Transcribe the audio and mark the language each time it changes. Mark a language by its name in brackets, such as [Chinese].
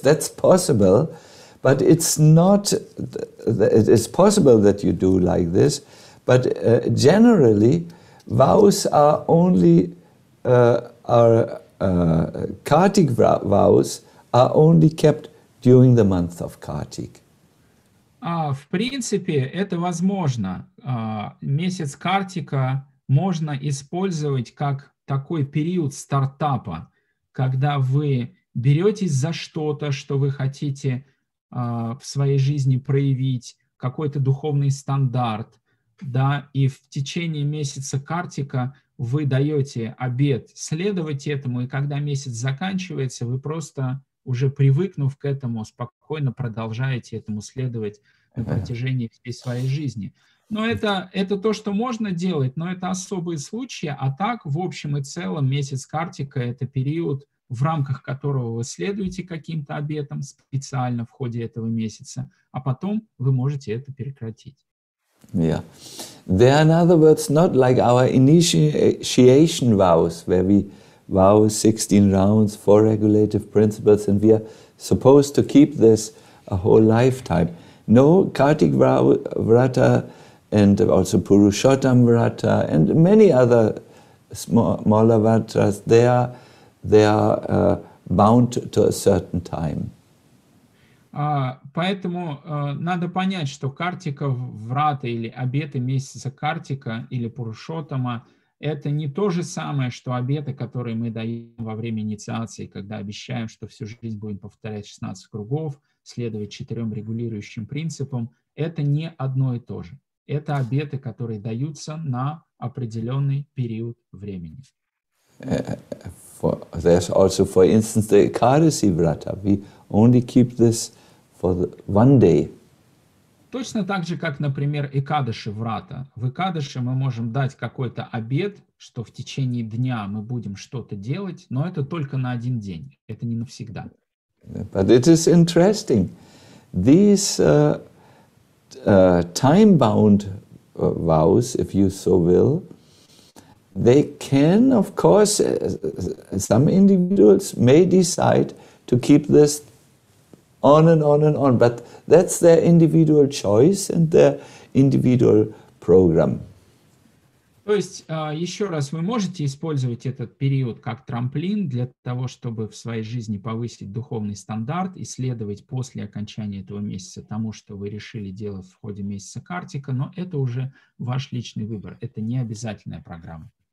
[English] That's possible, but it's not, it is possible that you do like this, but generally vows are only Kartik vows are only kept during the month of Kartik. [Russian] В принципе, это возможно. Месяц Картика можно использовать как такой период стартапа, когда вы беретесь за что-то, что вы хотите в своей жизни проявить, какой-то духовный стандарт, да, и в течение месяца Картика вы даете обет следовать этому, и когда месяц заканчивается, вы просто, уже привыкнув к этому, спокойно продолжаете этому следовать на протяжении всей своей жизни. Но это то, что можно делать, но это особые случаи, а так, в общем и целом, месяц Картика – это период, в рамках которого вы следуете каким-то обетам специально в ходе этого месяца, а потом вы можете это прекратить. [English] Yeah. There are, in other words, not like our initiation vows, where we vow 16 rounds, four regulative principles, and we are supposed to keep this a whole lifetime. No, Kartik Vrata and also Purushottam Vrata and many other smaller Vratas, they are bound to a certain time. [Russian] Поэтому надо понять, что Картика Врата или обеты месяца Картика или Пурушоттама – это не то же самое, что обеты, которые мы даем во время инициации, когда обещаем, что всю жизнь будем повторять 16 кругов, следовать четырем регулирующим принципам, это не одно и то же. Это обеты, которые даются на определенный период времени. [English] There's also, for instance, the Ekadasi Vrata. We only keep this for one day. [Russian] Точно так же, как, например, Экадаши Врата. В Экадаши мы можем дать какой-то обет, что в течение дня мы будем что-то делать, но это только на один день, это не навсегда. [English] But it is interesting. These time-bound vows, if you so will, they can, of course, some individuals may decide to keep this on and on and on, but that's their individual choice and their individual program. [Russian] То есть, еще раз, вы можете использовать этот период как трамплин для того, чтобы в своей жизни повысить духовный стандарт и следовать после окончания этого месяца тому, что вы решили делать в ходе месяца Картика, но это уже ваш личный выбор, это не обязательная программа.